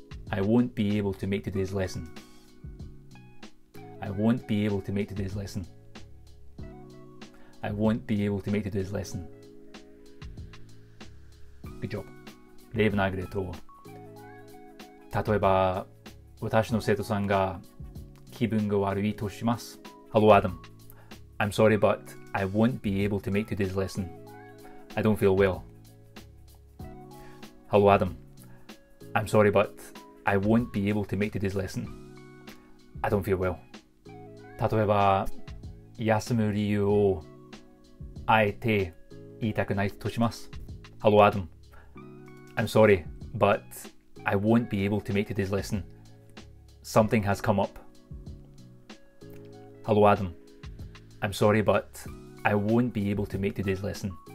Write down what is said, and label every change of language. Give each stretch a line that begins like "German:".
English: I won't be able to make today's lesson. I won't be able to make today's lesson. I won't be able to make today's lesson. Good job. レイブナグレト。
Japanese: 例えば、私の生徒さんが気分が悪いとします。
English: Hello, Adam. I'm sorry, but I won't be able to make today's lesson. I don't feel well. Hello, Adam. I'm sorry, but I won't be able to make today's lesson. I don't feel well.
Japanese: 例えば、休む理由をあえて言いたくないとします。
English: Hello, Adam. I'm sorry, but I won't be able to make today's lesson. Something has come up. Hello, Adam. I'm sorry, but I won't be able to make today's lesson.